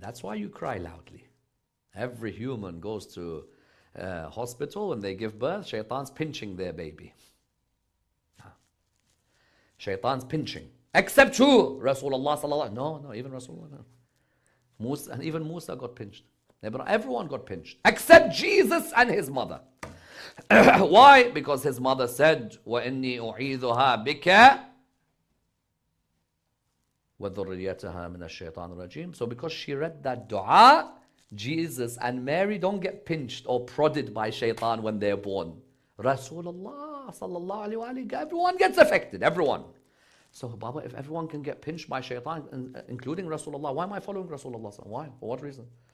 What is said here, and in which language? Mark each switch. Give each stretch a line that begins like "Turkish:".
English: That's why you cry loudly. Every human goes to a hospital and they give birth. Shaitan's pinching their baby. Shaitan's pinching. Except who? Rasulullah sallallahu alayhi wa sallam. No, even Rasulullah. No. Musa, and even Musa got pinched. Everyone got pinched. Except Jesus and his mother. Why?
Arabic: Because his mother said, وَإِنِّي أُعِيذُهَا بِكَ وَذُرِّيَّتَهَا مِنَ الشَّيْطَانِ الرَّجِيمِ.
English: So because she read that dua, Jesus and Mary don't get pinched or prodded by shaitan when they're born. Rasulullah sallallahu alayhi wa sallam. Everyone gets affected. Everyone. So Baba, if everyone can get pinched by shaitan, including Rasulullah, why am I following Rasulullah? Why? For what reason?